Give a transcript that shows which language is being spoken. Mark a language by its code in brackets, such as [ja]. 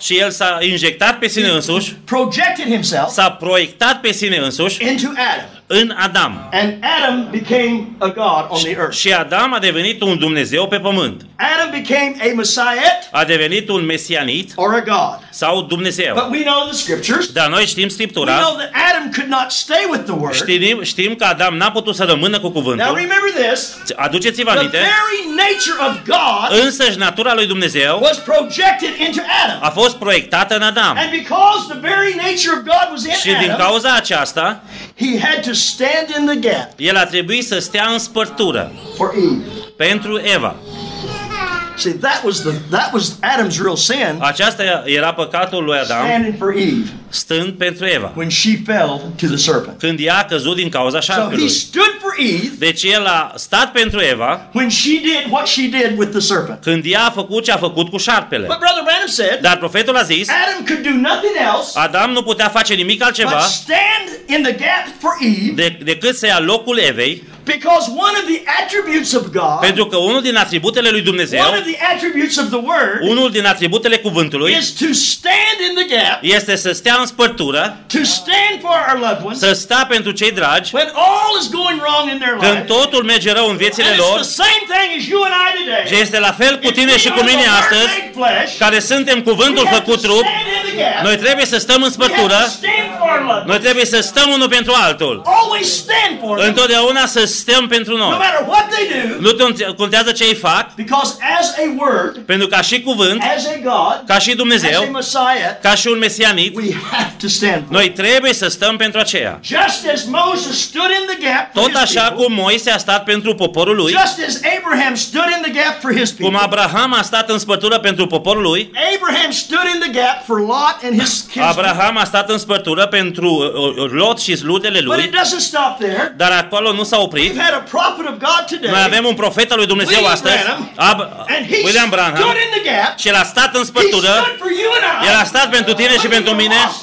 [ro] Și el s-a injectat pe sine însuși. [en] Projected himself. [ro] S-a proiectat pe sine însuși. [en] Into Adam. [ro] În Adam. [en] And Adam became a god on the earth. [ro] Și Adam a devenit un Dumnezeu pe pământ. [en] Adam became a messiah. [ro] A devenit un mesianit. [en] Or a god. [ro] Sau Dumnezeu. [en] But we know the scriptures. [ro] Dar noi știm Scriptura. [en] We know that Adam could not stay with the word. [ro] Știm că Adam n-a putut să rămână cu cuvântul. [en] Now remember this. [ro] Aduceți-vă aminte. [en] The very nature of God. [ro] Însăși natura lui Dumnezeu. [en] Was projected into Adam. [ro] A fost proiectată în Adam. [en] And because the very nature of God was in Adam. [ro] Și din cauza aceasta, [en] he had to stand in the gap. [ro] El a trebuit să stea în spărtură. [en] For Eve. [ro] Pentru Eva. [en] See, that was Adam's real sin. [ro] Aceasta era păcatul lui Adam. [en] Standing for Eve. [ro] Stând pentru Eva. [en] When she fell to the serpent. [ro] Când ea a căzut din cauza șarpelui. [en] So he stood for Eve. [ro] Deci el a stat pentru Eva. [en] When she did what she did with the serpent. [ro] Când ea a făcut ce a făcut cu șarpele. [en] But Brother Branham said. [ro] Dar profetul a zis. [en] Adam could do nothing else. [ro] Adam nu putea face nimic altceva. [en] But stand in the gap for Eve. [ro] Decât să ia locul Evei. [en] Because one of the attributes of God. [ro] Pentru că unul din atributele lui Dumnezeu. [en] One of the attributes of the word. [ro] Unul din atributele cuvântului. [en] Is to stand in the gap. [ro] Este să stea în spărtură. [en] To stand for our loved ones. [ro] Să stea pentru cei dragi. [en] When all is going wrong in their life. [ro] Când totul merge rău în viețile lor. [en] It's the same thing as you and I today. [ro] Și este la fel cu tine și cu mine astăzi. Care suntem cuvântul făcut trup. Noi trebuie să stăm în spărtură. Noi trebuie să stăm unul pentru altul. [en] Always stand for them. [ro] Întotdeauna să stăm pentru noi. [en] No matter what they do. [ro] Nu contează ce ei fac. [en] Because as a word. [ro] Pentru ca și cuvânt. [en] As a God. [ro] Ca și Dumnezeu. [en] As a Messiah. [ro] Ca și un mesianit. [en] We have to stand for. [ro] Noi trebuie să stăm pentru aceea. [en] Just as Moses stood in the gap for his people. [ro] Tot așa cum Moise a stat pentru poporul lui. [en] Just as Abraham stood in the gap for his people. [ro] Cum Abraham a stat în spătură pentru poporul lui. [en] Abraham stood in the gap for Lot and his kids. [ro] Abraham a stat în spătură pentru Lot și sludele lui. [en] But it doesn't stop there. [ro] Dar acolo nu s-a oprit. [en] We've had a prophet of God today. [ro] Noi avem un profet al lui Dumnezeu astăzi. William Branham. Și el a stat în spărtură. El a stat pentru tine și pentru mine.